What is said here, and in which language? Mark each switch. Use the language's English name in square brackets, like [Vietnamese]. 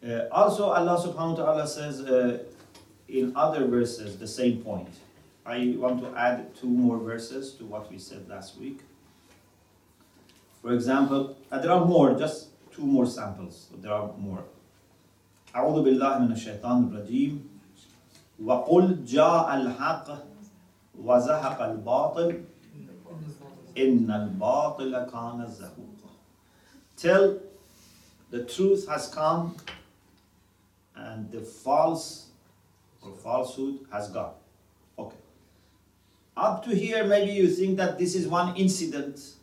[English] Also, Allah subhanahu wa ta'ala says in other verses the same point. I want to add two more verses to what we said last week. For example, there are more, just two more samples. But there are more. [Arabic] أعوذ بالله من الشيطان الرجيم وقل جاء الحق وزهق الباطل إن الباطل كان زهوقا. [English] Till the truth has come and the false or falsehood has gone. Okay. Up to here, maybe you think that this is one incident.